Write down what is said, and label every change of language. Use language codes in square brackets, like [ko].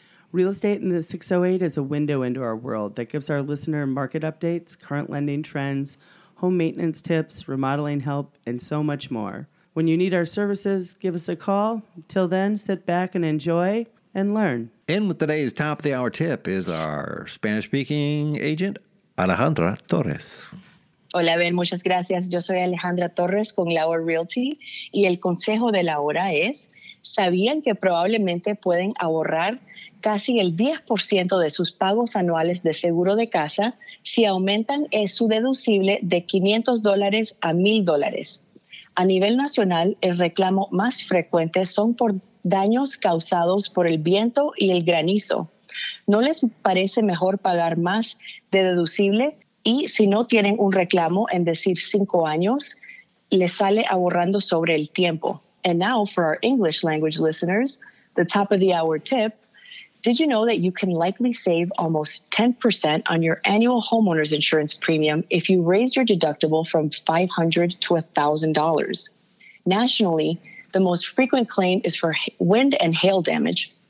[en] Real Estate in the 608 is a window into our world that gives our listener market updates, current lending trends, home maintenance tips, remodeling help, and so much more. When you need our services, give us a call. Till then, sit back and enjoy and learn. In with today's top of the hour tip is our Spanish-speaking agent, Alejandra Torres. [es] Hola, Ben. Muchas gracias. Yo soy Alejandra Torres con Lauer Realty. Y el consejo de la hora es, ¿sabían que probablemente pueden ahorrar casi el 10% de sus pagos anuales de seguro de casa si aumentan su deducible de $500 a $1,000? A nivel nacional, el reclamo más frecuente son por daños causados por el viento y el granizo. ¿No les parece mejor pagar más de deducible? Y si no tienen un reclamo, en decir 5 años, les sale ahorrando sobre el tiempo. [en] And now for our English language listeners, the top of the hour tip. Did you know that you can likely save almost 10% on your annual homeowner's insurance premium if you raise your deductible from $500 to $1,000? Nationally, the most frequent claim is for wind and hail damage.